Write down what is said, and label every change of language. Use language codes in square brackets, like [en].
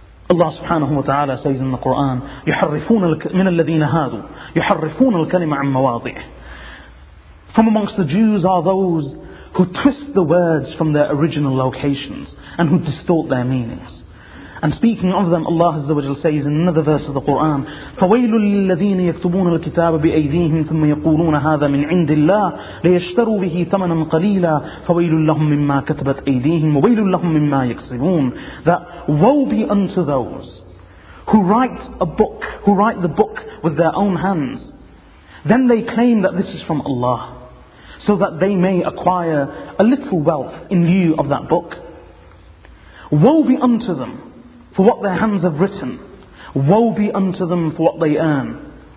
[en] Allah subhanahu wa ta'ala says in the Quran, [ar] يُحَرِّفُونَ الْكَلِمَ عَمْ مَوَاضِعِ. [en] From amongst the Jews are those who twist the words from their original locations and who distort their meanings. And speaking of them, Allah Azza wa Jalla says in another verse of the Quran, [ar] فَوَيْلٌ لِلَّذِينَ يَكْتُبُونَ الْكِتَابَ بِأَيْدِيهِمْ ثُمَّ يَقُولُونَ هَذَا مِنْ عِنْدِ اللَّهِ لِيَشْتَرُوا بِهِ ثَمَنًا قَلِيلًا فَوَيْلٌ لَهُمْ مِمَّا كَتَبَتْ أَيْدِيهِمْ وَوَيْلٌ لَهُمْ مِمَّا يَكْسِبُونَ. [en] That woe be unto those who write a book, who write the book with their own hands. Then they claim that this is from Allah, so that they may acquire a little wealth in lieu of that book. Woe be unto them for what their hands have written. Woe be unto them for what they earn.